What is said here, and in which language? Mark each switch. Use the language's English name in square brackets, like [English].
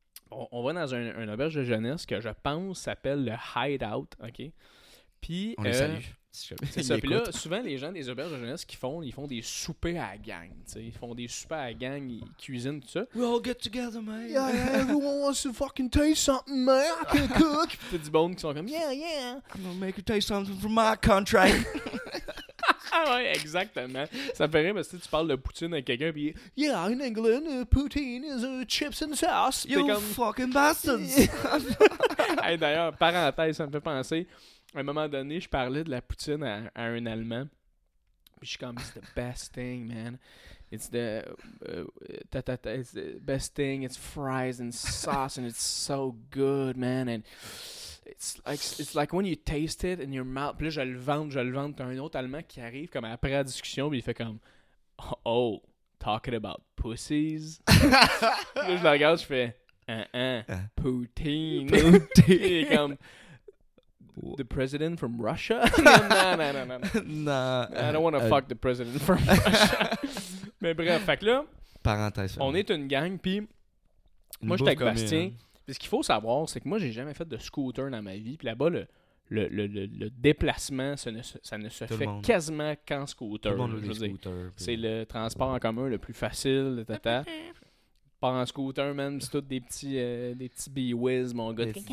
[French] On va dans un auberge de jeunesse que, je pense, s'appelle le Hideout, OK? Puis, on les salue. C'est ça. Puis là, souvent, les gens des auberges de jeunesse, ils font des soupers à la gang. T'sais. Ils font des soupers à la gang, ils cuisinent tout ça. [English] We all get together, man. Yeah, everyone wants to fucking taste something, man. I can cook. [French] Puis t'as du bone qui sont comme, yeah, yeah. [English] I'm gonna make you taste something from my country. [French] Ah ouais, exactement. Ça me fait rire parce que tu parles de poutine à quelqu'un, puis [English] yeah, in England, poutine is chips and sauce. You [French] comme... [English] fucking bastards. [French] Hey, d'ailleurs, parenthèse, ça me fait penser. À un moment donné, je parlais de la poutine à un Allemand. Puis je suis comme, [English] it's the best thing, man. It's the it's the best thing. It's fries and sauce, and it's so good, man. And it's like when you taste it in your mouth. [French] Puis là, je le vends. T'as un autre Allemand qui arrive comme après la discussion, puis il fait comme, [English] oh, talking about pussies. [French] Là, je le regarde, je fais, poutine. Poutine. Et comme... [English] The president from Russia? Nah. I don't want to fuck the president from Russia. [French] Mais bref, fait que là, parenthèse, on est une gang, puis moi, j'étais avec Bastien. Puis ce qu'il faut savoir, c'est que moi, j'ai jamais fait de scooter dans ma vie. Puis là-bas, le déplacement, ça ne se tout fait quasiment qu'en scooter. Tout le monde je veux scooter, dire. C'est le transport en commun le plus facile, tata. Pas en scooter, même, c'est tous des petits B-Wiz, mon gars.